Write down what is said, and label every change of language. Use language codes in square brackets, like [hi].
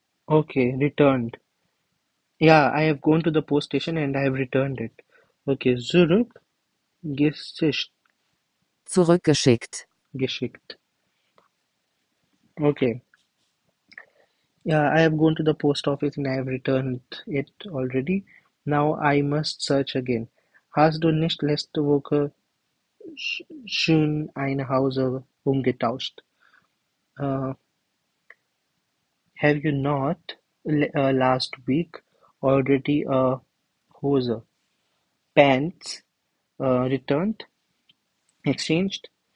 [en] Okay, returned. Yeah, I have gone to the post station and I have returned it. [de] Okay, Zurück geschickt. Zurückgeschickt. Geschickt. Okay. [en] Yeah, I have gone to the post office and I have returned it already. Now I must search again. [de] Hast du nicht letzte Woche schon ein Haus umgetauscht? [en] Have you not last week already a Hose, pants returned, exchanged?